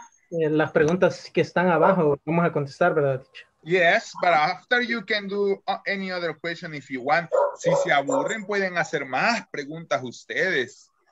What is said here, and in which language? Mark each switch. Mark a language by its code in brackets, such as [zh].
[es] Las preguntas que están abajo, vamos a contestar, ¿verdad? [en] Yes, but after you can do any other question if you want. [es] Si se aburren, pueden hacer más preguntas ustedes.